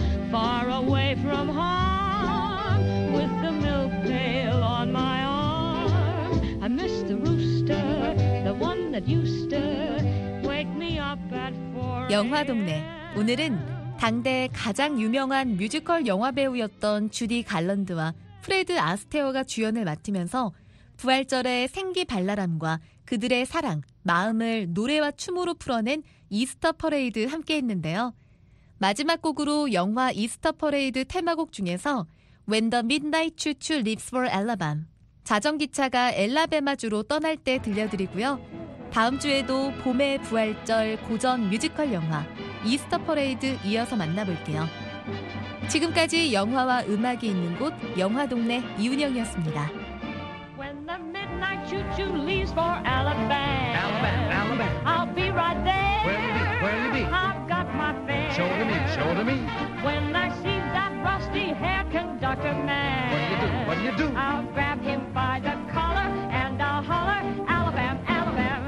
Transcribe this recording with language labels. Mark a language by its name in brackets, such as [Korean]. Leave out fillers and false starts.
[English] Far away from harm, with the milk pail on my arm, I miss the rooster, the one that used to wake me up at 4 a.m. [Korean] 영화 동네, 오늘은 당대 가장 유명한 뮤지컬 영화 배우였던 주디 갈런드와 프레드 아스테어가 주연을 맡으면서 부활절의 생기 발랄함과 그들의 사랑, 마음을 노래와 춤으로 풀어낸 이스터 퍼레이드 함께했는데요. 마지막 곡으로 영화 이스터 퍼레이드 테마곡 중에서 When the Midnight Choo-Choo Leaves for Alabama, 자전기차가 엘라베마주로 떠날 때 들려드리고요. 다음 주에도 봄의 부활절 고전 뮤지컬 영화 이스터 퍼레이드 이어서 만나볼게요. 지금까지 영화와 음악이 있는 곳 영화 동네 이은영이었습니다. [English] When the midnight choo-choo leaves for Alabama, Alabama, Alabama. I'll be right there. Where will you be? Show to me, show to me. When I see that rusty hair conductor man, what do you do, what do you do? I'll grab him by the collar and I'll holler, Alabama, Alabama.